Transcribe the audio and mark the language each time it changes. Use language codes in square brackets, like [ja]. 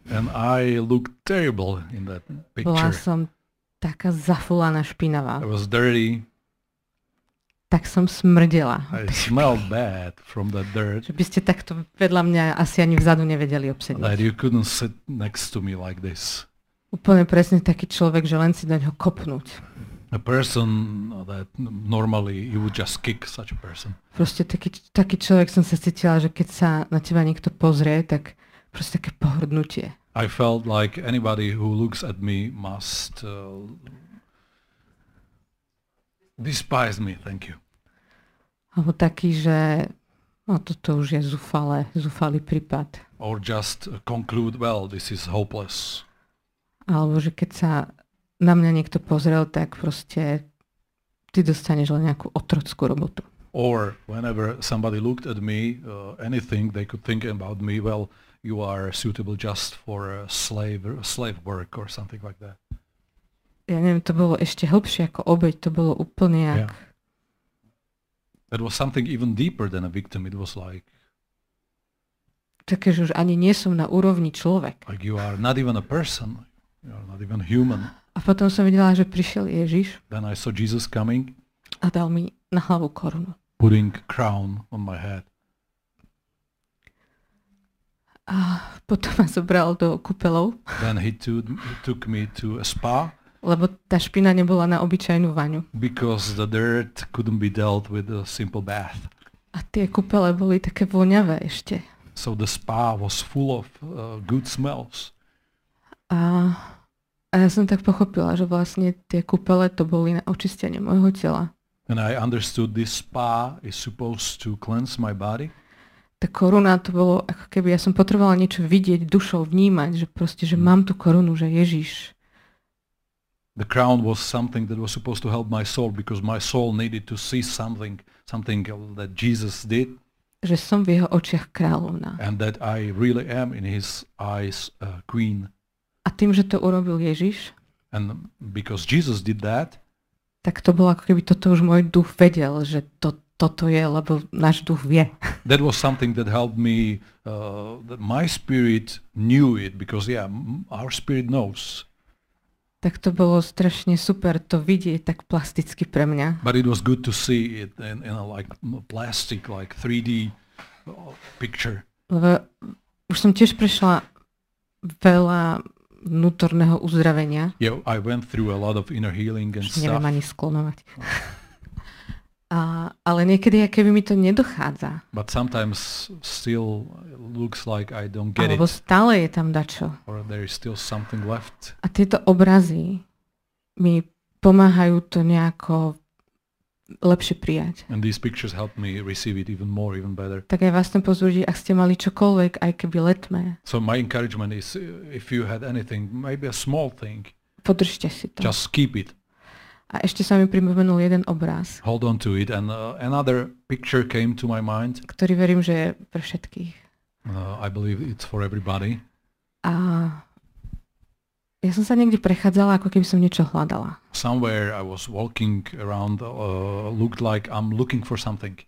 [en] And I looked terrible in that picture. [sk] Bola som taká zafulaná, špinavá. [en] I was dirty. [sk] Tak som smrdela. [en] I smelled bad from that dirt. [sk] Že by ste takto vedľa mňa asi ani vzadu nevedeli obsediť. [en] That you couldn't sit next to me like this. [sk] Úplne presne taký človek, že len si do neho kopnúť. [en] A person that normally you would just kick such a person. [sk] Proste taký človek som sa cítila, že keď sa na teba niekto pozrie, tak proste také pohrdnutie. [en] I felt like anybody who looks at me must despise me, thank you. [sk] Alebo taký, že no toto už je zúfalý prípad. [en] Or just conclude, well, this is hopeless. [sk] Alebo že keď sa na mňa niekto pozrel, tak proste ty dostaneš len nejakú otrockú robotu. [en] Or whenever somebody looked at me, anything they could think about me, well, you are suitable just for slave work or something like that. [sk] Ja neviem, to bolo ešte hlbšie ako obeť, to bolo úplne jak... [en] Yeah. It was something even deeper than a victim, it was like... [sk] Také, že už ani nie som na úrovni človek. [en] Like you are not even a person, you are not even human. [sk] A potom som videla, že prišiel Ježiš. [en] Then I saw Jesus coming. [sk] A dal mi na hlavu korunu. [en] Putting crown on my head. [sk] A potom ma zobral do kúpeľov. [en] Then he took me to a spa. [sk] Lebo tá špina nebola na obyčajnú vaňu. [en] Because the dirt couldn't be dealt with a simple bath. [sk] A tie kúpele boli také voňavé ešte. [en] So the spa was full of good smells. [sk] A ja som tak pochopila, že vlastne tie kúpele to boli na očistenie môjho tela. [en] And I understood this spa is supposed to cleanse my body. [sk] Tá koruna to bolo, ako keby ja som potrebovala niečo vidieť dušou, vnímať, že proste, že mám tú korunu, že Ježiš. [en] The crown was something that was supposed to help my soul, because my soul needed to see something that Jesus did. [sk] Že som v jeho očiach kráľovná. [en] And that I really am in his eyes a queen. [sk] A tým, že to urobil Ježiš, [en] and because Jesus did that, [sk] tak to bolo, ako keby toto už môj duch vedel, že toto je, lebo náš duch vie. [en] That was something that helped me, that my spirit knew it, because yeah, our spirit knows. [sk] Tak to bolo strašne super to vidieť tak plasticky pre mňa. [en] But it was good to see it in a like plastic, like 3D picture. [sk] Lebo už som tiež prešla veľa vnútorného uzdravenia. [en] Yeah, I went through a lot of inner healing and stuff. [sk] Neviem ani sklonovať. Ale niekedy, keby mi to nedochádza. [en] But sometimes still looks like I don't get it. [sk] Alebo stále je tam dačo. [en] Or there is still something left. [sk] A tieto obrazy mi pomáhajú to nejako lepšie prijať. [en] And these pictures help me receive it even more, even better. [sk] Tak aj vás tam pozbudí, ak ste mali čokoľvek, aj keby letmé. [en] So my encouragement is, if you had anything, maybe a small thing, [sk] podržte si to. [en] Just keep it. [sk] A ešte sa mi pripomenul jeden obraz. [en] Hold on to it. And another picture came to my mind. [sk] Ktorý verím, že je pre všetkých. [en] I believe it's for everybody. [sk] A ja som sa niekde prechádzala, ako keby som niečo hľadala. [en] Somewhere I was walking around, looked like I'm looking for something.